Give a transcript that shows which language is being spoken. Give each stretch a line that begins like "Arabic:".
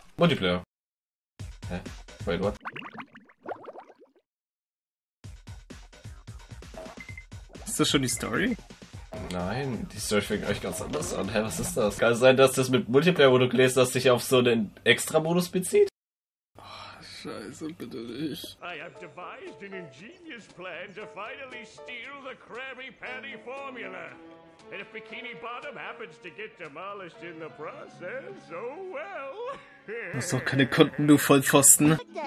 English: Multiplayer. Hä? Wait, what?
German: Ist das schon die Story? Nein, die Story fängt eigentlich ganz anders an. Hä, was ist das? Kann es sein, dass das mit Multiplayer, wo du gelesen hast, sich auf so einen Extra-Modus bezieht? Scheiße, bitte nicht.
English: I have devised an ingenious plan to finally steal the Krabby Patty formula. And if Bikini Bottom happens to get demolished in the process, oh well.
German: Das ist doch keine Kunden, du Vollpfosten.